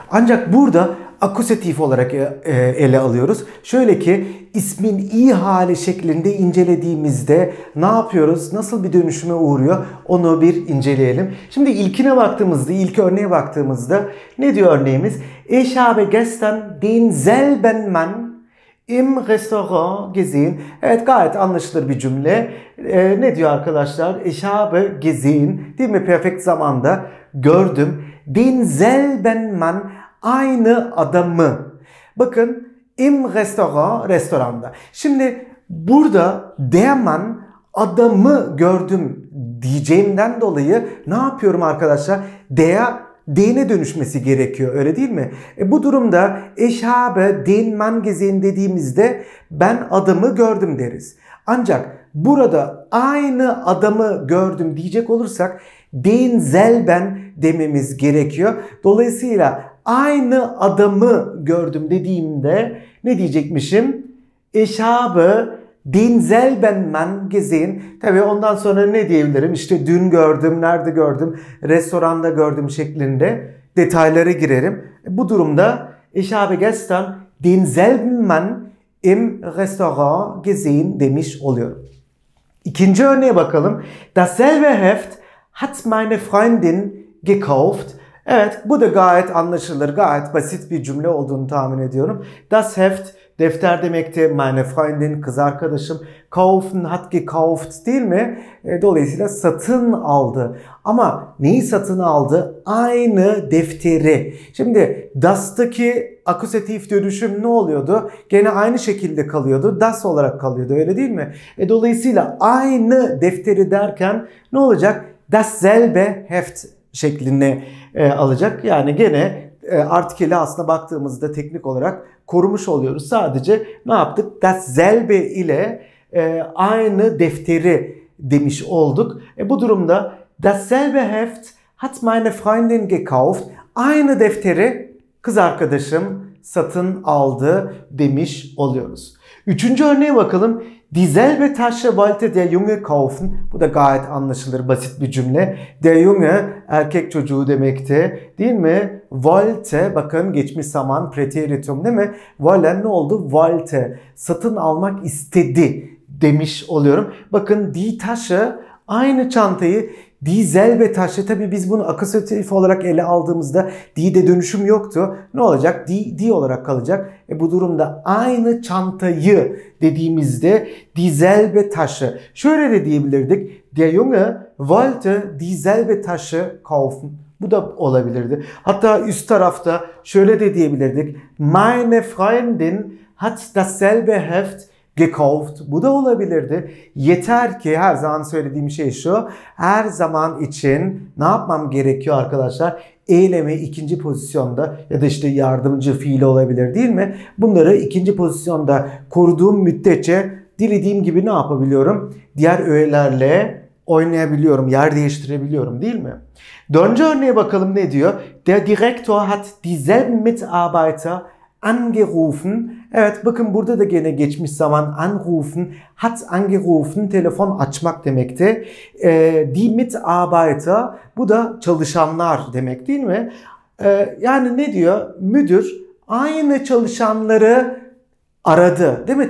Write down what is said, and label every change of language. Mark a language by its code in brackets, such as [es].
[tr] Ancak burada akuzatif olarak ele alıyoruz. Şöyle ki ismin iyi hali şeklinde incelediğimizde ne yapıyoruz? Nasıl bir dönüşüme uğruyor? Onu bir inceleyelim. Şimdi ilkine baktığımızda, ilk örneğe baktığımızda ne diyor örneğimiz? [de] Ich habe gestern den selben Mann im Restaurant gesehen. [tr] Evet, gayet anlaşılır bir cümle. Ne diyor arkadaşlar? [de] Ich habe gesehen, [tr] değil mi? Perfekt zamanda gördüm. [de] Den selben Mann, [tr] aynı adamı. Bakın, [de] im Restaurant, [tr] restoranda. Şimdi burada der Mann, adamı gördüm diyeceğimden dolayı ne yapıyorum arkadaşlar? Den'e dönüşmesi gerekiyor, öyle değil mi? Bu durumda [de] ich habe den Mann gesehen [tr] dediğimizde ben adamı gördüm deriz. Ancak burada aynı adamı gördüm diyecek olursak den selben dememiz gerekiyor. Dolayısıyla aynı adamı gördüm dediğimde ne diyecekmişim? [de] Ich habe den selben Mann gesehen. [tr] Tabii ondan sonra ne diyebilirim? İşte dün gördüm, nerede gördüm, restoranda gördüm şeklinde detaylara girerim. Bu durumda [de] ich habe gestern den selben Mann im Restaurant gesehen [tr] demiş oluyorum. İkinci örneğe bakalım. [de] Dasselbe Heft hat meine Freundin gekauft. [tr] Evet, bu da gayet anlaşılır, gayet basit bir cümle olduğunu tahmin ediyorum. [de] Das Heft, [tr] defter demekti. [de] Meine Freundin, [tr] kız arkadaşım. Kaufen, [de] hat gekauft, [tr] değil mi? Dolayısıyla satın aldı. Ama neyi satın aldı? Aynı defteri. Şimdi das'taki akuzatif dönüşüm ne oluyordu? Gene aynı şekilde kalıyordu. Das olarak kalıyordu, öyle değil mi? Dolayısıyla aynı defteri derken ne olacak? [de] Das selbe Heft [tr] şeklini alacak. Yani gene artikeli aslında baktığımızda teknik olarak korumuş oluyoruz. Sadece ne yaptık? [de] Das selbe [tr] ile aynı defteri demiş olduk. Bu durumda [de] das selbe Heft hat meine Freundin gekauft. [tr] Aynı defteri kız arkadaşım satın aldı demiş oluyoruz. Üçüncü örneğe bakalım. [de] Die selbe Tasche wollte der Junge kaufen. [tr] Bu da gayet anlaşılır, basit bir cümle. Der Junge, erkek çocuğu demekti, değil mi? Wollte, bakın geçmiş zaman, preteritum, değil mi? Wollen ne oldu? Wollte, satın almak istedi demiş oluyorum. Bakın die Tasche, aynı çantayı, [de] die selbe Tasche. [tr] Tabii biz bunu akusatif olarak ele aldığımızda die'de dönüşüm yoktu. Ne olacak? Die olarak kalacak. Bu durumda aynı çantayı dediğimizde [de] die selbe Tasche. [tr] Şöyle de diyebilirdik. [de] Der Junge wollte die selbe Tasche kaufen. [tr] Bu da olabilirdi. Hatta üst tarafta şöyle de diyebilirdik. [de] Meine Freundin hat dasselbe Heft gekauft. [tr] Bu da olabilirdi. Yeter ki, her zaman söylediğim şey şu. Her zaman için ne yapmam gerekiyor arkadaşlar? Eyleme ikinci pozisyonda ya da işte yardımcı fiil olabilir, değil mi? Bunları ikinci pozisyonda koruduğum müddetçe dilediğim gibi ne yapabiliyorum? Diğer öğelerle oynayabiliyorum, yer değiştirebiliyorum, değil mi? Dördüncü örneğe bakalım ne diyor? [de] Der Direktor hat dieselben Mitarbeiter angerufen. [tr] Evet, bakın burada da gene geçmiş zaman anrufen, [de] hat angerufen, [tr] telefon açmak demekti. Die Mitarbeiter, bu da çalışanlar demek, değil mi? Yani ne diyor? Müdür aynı çalışanları aradı, değil mi?